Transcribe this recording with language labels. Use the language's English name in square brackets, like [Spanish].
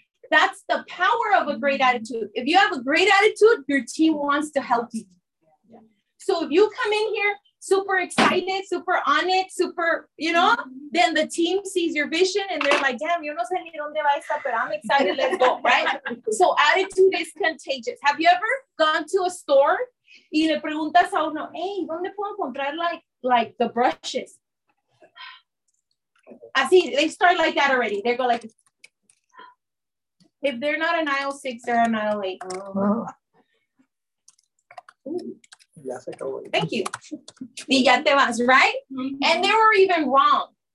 [English] That's the power of a great attitude. If you have a great attitude, your team wants to help you. So if you come in here super excited, super on it, super, you know, then the team sees your vision and they're like, damn, [Spanish] yo no sé ni dónde va esta, [English] but I'm excited, let's go, right? So attitude is contagious. Have you ever gone to a store [Spanish] y le preguntas a uno, [English] hey, [Spanish] ¿dónde puedo encontrar [English] like the brushes? Así, they start like that already. They go like, if they're not an aisle 6, they're an aisle 8. Thank you. [Spanish] Y ya te vas, [English] right? Mm-hmm. And they were even wrong.